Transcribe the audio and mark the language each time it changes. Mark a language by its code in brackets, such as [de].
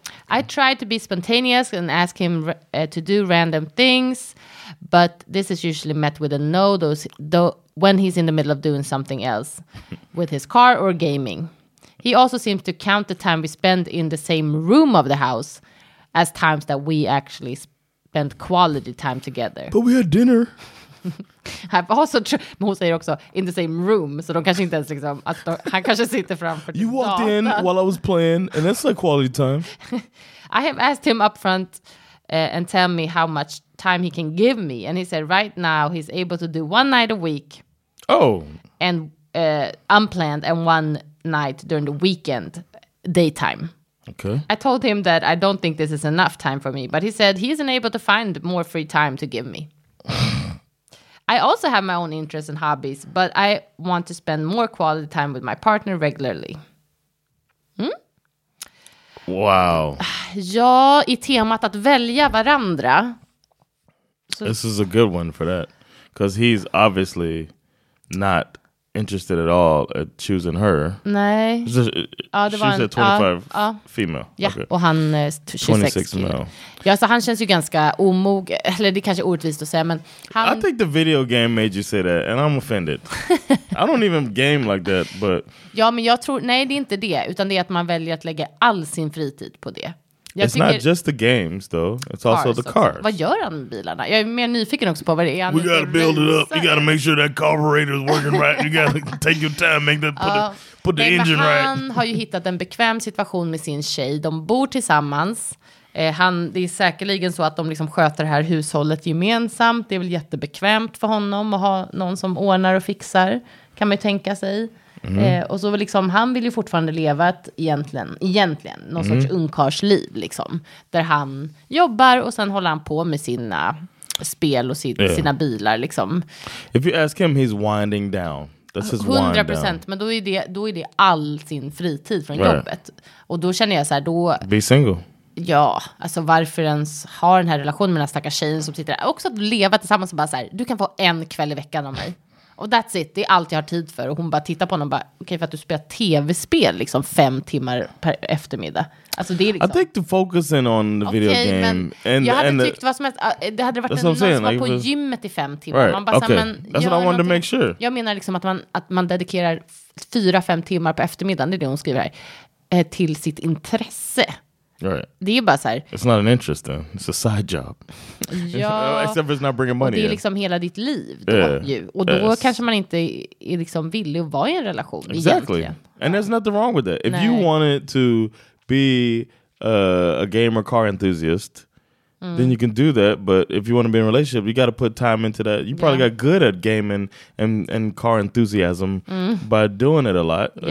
[en] I try to be spontaneous and ask him to do random things, but this is usually met with a no when he's in the middle of doing something else with his car or gaming. He also seems to count the time we spend in the same room of the house as times that we actually spend quality time together. But we had dinner. I've also most [sv] säger också [en] in the same room, [sv] så de kanske inte ens liksom att han kanske sitter framför. [en] You walked in while I was playing, and that's like quality time. I have asked him up front and tell me how much time he can give me, and he said right now he's able to do one night a week. Oh. And unplanned, and one night during the weekend, daytime. Okay. I told him that I don't think this is enough time for me, but he said he isn't able to find more free time to give me. I also have my own interests and hobbies, but I want to spend more quality time with my partner regularly. Wow. [sv] Ja, i temat att välja varandra. Så. [en] This is a good one for that. Because he's obviously not interested at all at choosing her. [sv] Nej. [en] She's at 25 female. [sv] Ja, okay. Och han är 26 [en] male. [sv] Ja, så han känns ju ganska omog. Eller det kanske är orättvist att säga, men han... [en] I think the video game made you say that, and I'm offended. I don't even game like that, but... [sv] Ja, men jag tror... Nej, det är inte det. Utan det är att man väljer att lägga all sin fritid på det. Jag [en] it's not just the games, though. It's cars, also the cars. [sv] Vad gör han med bilarna? Jag är mer nyfiken också på vad det är. [en] We gotta build it up. You gotta make sure that carburetor is working right. You gotta take your time. Make that, put the engine right. [sv] Han har ju hittat en bekväm situation med sin tjej. De bor tillsammans. Det är säkerligen så att de liksom sköter det här hushållet gemensamt. Det är väl jättebekvämt för honom att ha någon som ordnar och fixar. Kan man ju tänka sig. Mm. Och så liksom, han vill ju fortfarande leva ett egentligen någon sorts ungkarsliv liksom, där han jobbar och sen håller han på med sina spel och sina bilar liksom. [en] If you ask him, he's winding down. That's his 100%, [sv] men då är det all sin fritid från jobbet. Och då känner jag så här, då [en] be single. [sv] Ja, alltså varför ens har den här relationen med den här stackars tjejen som sitter där, också att leva tillsammans och bara så här, du kan få en kväll i veckan av mig. Och [en] that's it, [sv] det är allt jag har tid för. Och hon bara tittar på honom och bara, okej, för att du spelar tv-spel liksom 5 timmar per eftermiddag. Alltså det är liksom... [en] I think the focus in on the video game. [sv] Okej, men jag hade tyckt vad som helst. Det hade varit någon som var på gymmet i 5 timmar. [en] Right. [sv] Man bara, okay. [en] Men, that's what I wanted to make sure. [sv] Jag menar liksom att man dedikerar 4-5 timmar på eftermiddagen, det är det hon skriver här, till sitt intresse. [en] Right. [sv] Det är bara så här. [en] It's not an interest then. It's a side job. [sv] Ja, [en] except if it's not bringing money. [sv] Det är liksom hela ditt liv då, ju. Och då kanske man inte är liksom villig att vara i en relation. [en] Exactly. [sv] Egentligen. [en] And there's nothing wrong with that. If you wanted to be a gamer car enthusiast, then you can do that. But if you want to be in a relationship, you got to put time into that. You probably got good at gaming and car enthusiasm by doing it a lot. Yeah.